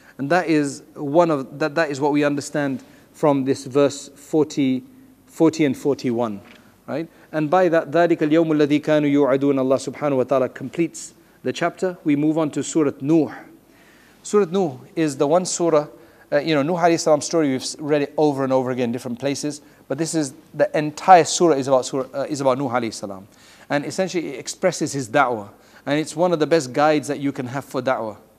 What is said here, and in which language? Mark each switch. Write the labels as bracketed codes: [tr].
[en] And that is one of that. That is what we understand from this verse 40 and 41, right? And by that, [ar] ذَلِكَ الْيَوْمُ الَّذِي كَانُوا يُعَدُونَ. [en] Allah subhanahu wa ta'ala completes the chapter. We move on to Surah Nuh. Surah Nuh is the one surah, Nuh alayhi salam story, we've read it over and over again in different places. But this is, the entire surah is about Nuh alayhi salam. And essentially it expresses his da'wah. And it's one of the best guides that you can have for da'wah.